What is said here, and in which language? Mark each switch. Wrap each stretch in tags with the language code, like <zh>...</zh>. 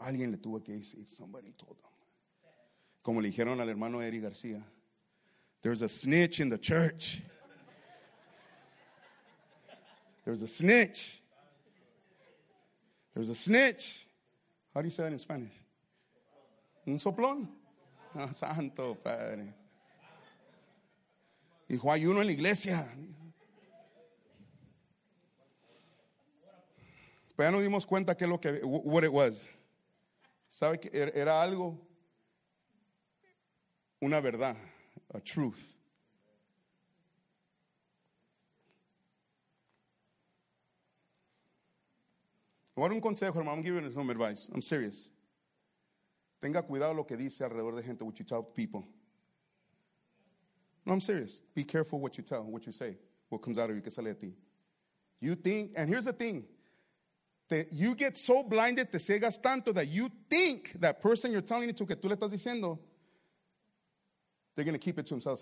<es>Alguien le tuvo que decir.</es> <en>Somebody told him.</en> <es>Como le dijeron al hermano Eric García.</es> <en>There's a snitch in the church. There's a snitch. There's a snitch. How do you say that in Spanish?</en> <es>Un soplón. Oh, santo padre. Hijo, hay uno en la iglesia. Pero ya nos dimos cuenta que lo que,</es> <en>what it was.</en> <es>¿Sabe que era algo? Una verdad.</es> <en>A truth.</en> <es>Ahora un consejo, hermano.</es> <en>I'm giving you some advice. I'm serious.</en> <es>Tenga cuidado lo que dice alrededor de gente,</es> <en>what you tell people. No, I'm serious. Be careful what you tell, what you say, what comes out of you,</en> <es>que sale de ti.</es> <en>You think, and here's the thing. You get so blinded,</en> <es>te ciegas tanto</es> <en>that you think that person you're telling it to,</en> <es>que tú le estás diciendo,</es> <en>they're going to keep it to themselves.</en>